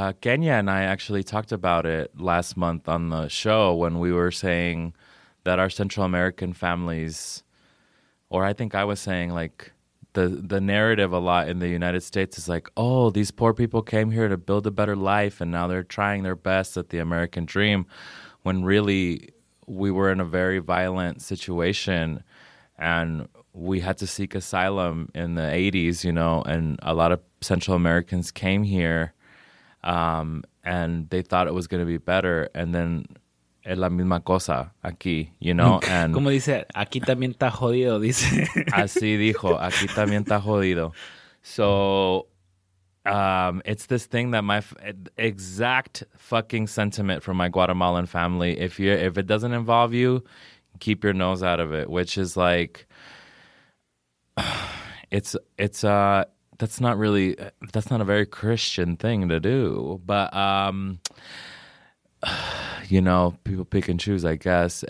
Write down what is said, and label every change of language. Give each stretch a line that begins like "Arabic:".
English: Kenya and I actually talked about it last month on the show when we were saying that our Central American families, or I think I was saying, like, the narrative a lot in the United States is like, oh, these poor people came here to build a better life, and now they're trying their best at the American dream, when really we were in a very violent situation, and we had to seek asylum in the 80s, you know, and a lot of Central Americans came here and they thought it was going to be better. And then,
Spanish: es la misma cosa aquí,
English: you know. And
Spanish: como dice, aquí también está jodido, dice. Así dijo, aquí también está jodido.
English: So, it's this thing that my exact fucking sentiment from my Guatemalan family, if it doesn't involve you, keep your nose out of it, which is like, that's not a very Christian thing to do, but, you know, people pick and choose, I guess.